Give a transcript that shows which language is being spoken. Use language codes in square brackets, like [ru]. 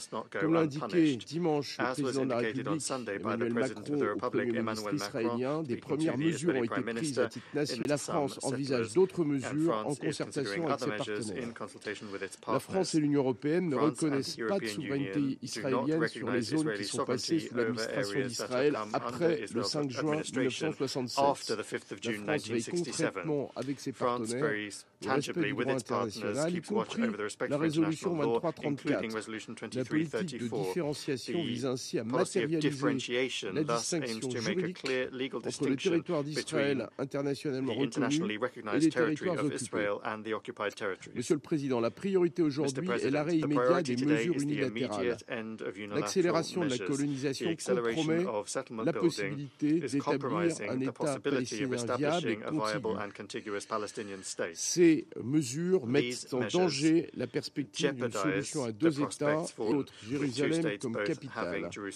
[fr] Comme l'a indiqué dimanche le président de la République, Emmanuel Macron, au premier ministre israélien, des premières mesures ont été prises à titre national. La France envisage d'autres mesures en concertation avec ses partenaires. La France et l'Union européenne ne reconnaissent pas de souveraineté israélienne sur les zones qui sont passées sous l'administration d'Israël après fait le 5 juin 1967. [en] After the 5th of June 1967, France very tangibly with its partners keeps watch over the respect for international law, including Resolution 2334. The policy of differentiation thus aims to make a clear legal distinction between the internationally recognized territory of Israel and the occupied territories. [fr] Monsieur le Président, la priorité aujourd'hui est l'arrêt immédiat des mesures unilatérales. L'accélération de la colonisation compromet la possibilité d'établir un État palestinien viable et contigu. Ces mesures mettent en danger la perspective d'une solution à deux États et autre Jérusalem comme capitale.